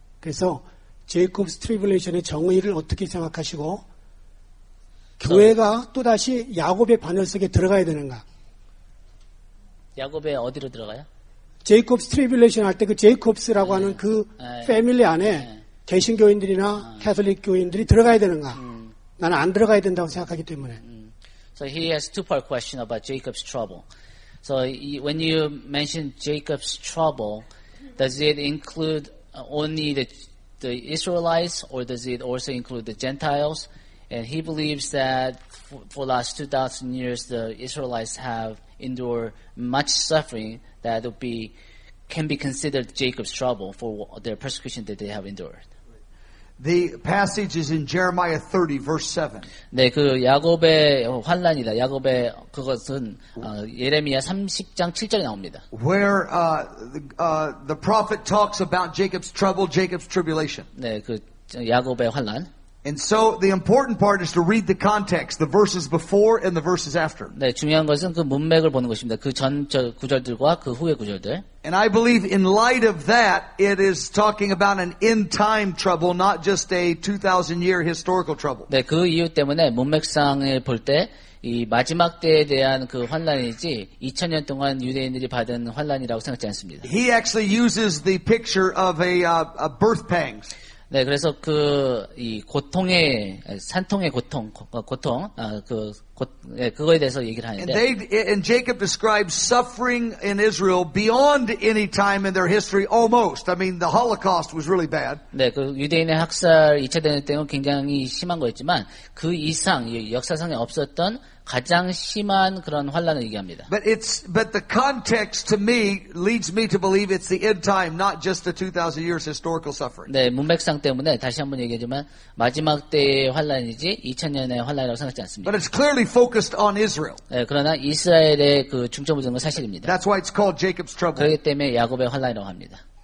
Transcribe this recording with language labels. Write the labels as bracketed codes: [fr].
[ko] 그래서 [en] Jacob's tribulation [ko] 의 정의를 어떻게 생각하시고 교회가 또다시 야곱의 바늘 속에 들어가야 되는가? 야곱의 어디로 들어가요? [en] Jacob's tribulation [ko] 할 때 그 Jacob's라고 하는 그 패밀리 안에 개신교인들이나 캐톨릭 교인들이 들어가야 되는가? 나는 안 들어가야 된다고 생각하기 때문에. [en] So he has two-part question about Jacob's trouble. So when you mention Jacob's trouble, does it include only the Israelites or does it also include the Gentiles? And he believes that for the last 2,000 years, the Israelites have endured much suffering that would be, can be considered Jacob's trouble for their persecution that they have endured. The passage is in Jeremiah 30, verse 7. [ko] 네, 그 야곱의 환란이다. 야곱의 그것은 예레미야 30장 7절에 나옵니다. [en] Where the prophet talks about Jacob's trouble, Jacob's tribulation. [ko] 네, 그 야곱의 환란. [en] And so the important part is to read the context, the verses before and the verses after. [ko] 네, 중요한 것은 그 문맥을 보는 것입니다. 그 전 구절들과 그 후의 구절들. [en] And I believe in light of that, it is talking about an end time trouble, not just a 2,000 year historical trouble. [ko] 네, 그 이유 때문에 문맥상에 볼 때 이 마지막 때에 대한 그 환란이지 2000년 동안 유대인들이 받은 환란이라고 생각하지 않습니다. [en] He actually uses the picture of a birth pangs. [ko] 네, 그래서 그 이 고통의 산통의 고통 그 그거에 대해서 얘기를 하는데. [en] And Jacob describes suffering in Israel beyond any time in their history. Almost, I mean, the Holocaust was really bad. [ko] 네, 그 유대인의 학살 2차 대전 때는 굉장히 심한 거였지만 그 이상 역사상에 없었던 가장 심한 그런 환란을 얘기합니다. [en] But the context to me leads me to believe it's the end time, not just the 2,000 years historical suffering. [ko] 네, 문맥상 때문에 다시 한번 얘기하지만 마지막 때의 환란이지 2000년의 환란이라고 생각하지 않습니다. [en] But it's clearly focused on Israel. [ko] 네, 그러나 이스라엘의 그 중점을 둔 건 사실입니다. [en] That's why it's called Jacob's trouble. [ko] 그렇기 때문에 야곱의 환란이라고 합니다.